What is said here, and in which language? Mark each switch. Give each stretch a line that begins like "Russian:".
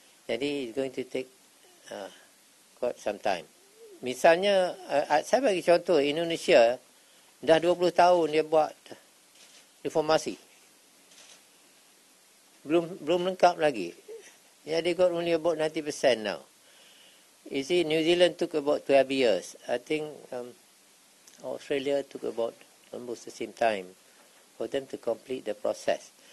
English: Jadi it's going to take quite some time.
Malay: Misalnya, saya bagi contoh, Indonesia dah 20 tahun dia buat reformasi. Belum lengkap lagi.
English: Yeah, they got only about 90% now. You see, New Zealand took about 12 years. I think Australia took about almost the same time for them to complete the process.